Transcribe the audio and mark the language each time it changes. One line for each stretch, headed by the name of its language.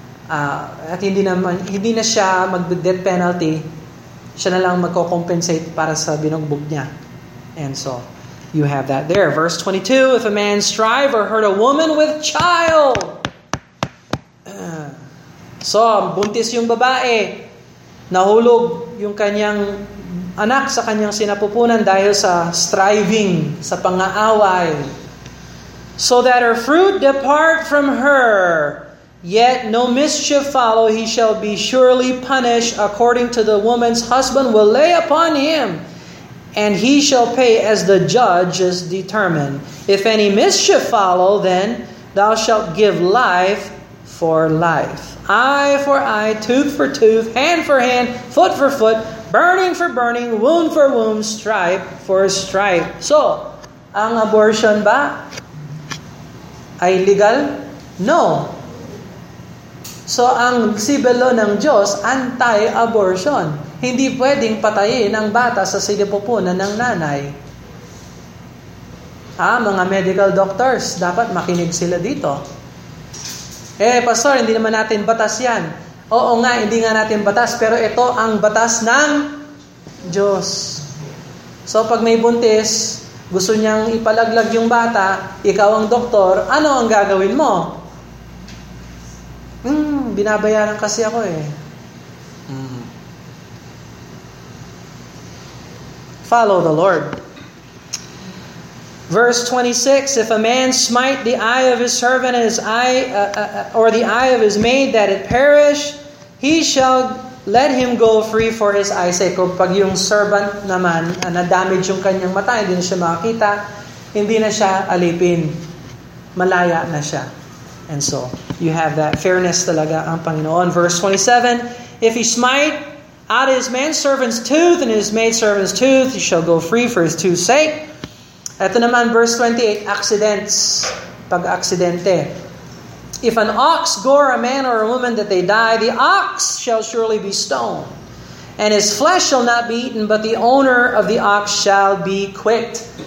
Filipino: at hindi naman hindi na siya mag-death penalty, siya na lang magko-compensate para sa binugbog niya.
English: And so you have that there. Verse 22, if a man strive or hurt a woman with child.
Filipino: So, buntis yung babae, nahulog yung kanyang anak sa kanyang sinapupunan dahil sa striving, sa pang-aaway.
English: So that her fruit depart from her, yet no mischief follow, he shall be surely punished according to the woman's husband will lay upon him. And he shall pay as the judge is determined. If any mischief follow, then thou shalt give life for life. Eye for eye, tooth for tooth, hand for hand, foot for foot, burning for burning, wound for wound, stripe for stripe.
Filipino: So, ang abortion ba ay legal?
English: No.
Filipino: So, ang sibelo ng Diyos, anti-abortion. Hindi pwedeng patayin ang bata sa sinipupunan ng nanay. Ah, mga medical doctors, dapat makinig sila dito. Eh, Pastor, hindi naman natin batas yan. Oo nga, hindi nga natin batas, pero ito ang batas ng Diyos. So, pag may buntis, gusto niyang ipalaglag yung bata, ikaw ang doktor, ano ang gagawin mo? Binabayaran kasi ako eh.
English: Follow the Lord. Verse 26, if a man smite the eye of his servant and his eye or the eye of his maid that it perish, he shall let him go free for his eye's sake.
Filipino: Pag yung servant naman na damage yung kanyang mata, hindi na siya makakita, hindi na siya alipin. Malaya na siya.
English: And so, you have that fairness
Filipino: talaga ang Panginoon.
English: Verse 27, if he smite out of his manservant's tooth and his maidservant's tooth, he shall go free for his tooth's sake.
Filipino: Ito naman, verse 28, accidents, pag-aksidente.
English: If an ox gore a man or a woman that they die, the ox shall surely be stoned, and his flesh shall not be eaten, but the owner of the ox shall be quit.